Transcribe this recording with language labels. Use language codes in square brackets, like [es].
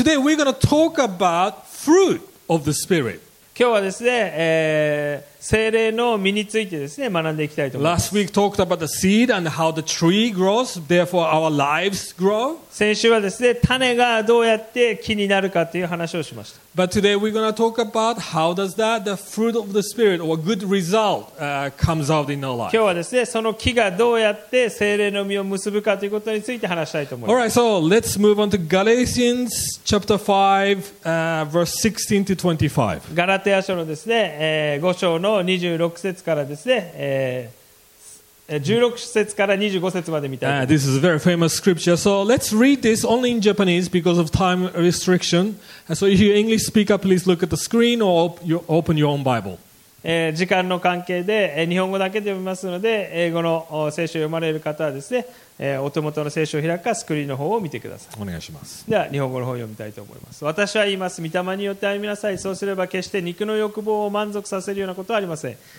[en] Today we're going to talk about fruit of the Spirit. [ja] 今日はですね、聖霊の実についてですね、学んでいきたいと思います。 [en] Last week talked about the seed and how the tree grows, therefore our lives grow. [ja] 先週はですね、種がどうやって木になるかという話をしました。 [en] But today we're going to talk about how does that, the fruit of the Spirit or a good result, comes out in our life. [ja] 今日はですね、その木がどうやって聖霊の実を結ぶかということについて話したいと思います。 [en] All right, so let's move on to Galatians chapter 5, verse 16 to 25. [ja] ガラテヤ書のですね、5章の26節からですね、16節から25節まで見たい。 [en] This is a very famous scripture. So let's read this only in Japanese because of time restriction. So if you're English speaker, please look at the screen or open your own Bible. [ja] 時間の関係で日本語だけで読みますので、英語の聖書を読まれる方はですね、お手元の聖書を開くかスクリーンの方を見てください。お願いします。では日本語の方を読みたいと思います。私は言います、御霊によって歩みなさい。そうすれば決して肉の欲望を満足させるようなことはありません。